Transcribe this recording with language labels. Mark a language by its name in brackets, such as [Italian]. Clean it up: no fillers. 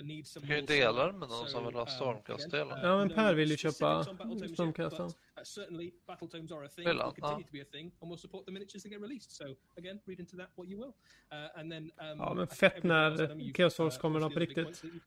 [Swedish] Du kan ju dela med någon som vill ha stormkastdelar. Ja, men Per vill ju köpa stormkastan. [English] Certainly battle tomes are a thing, will continue to be a thing, and we'll support the miniatures that get released. So again, read into that what you will. And then [Swedish] ja, men fett när Chaos Wars kommer upp riktigt.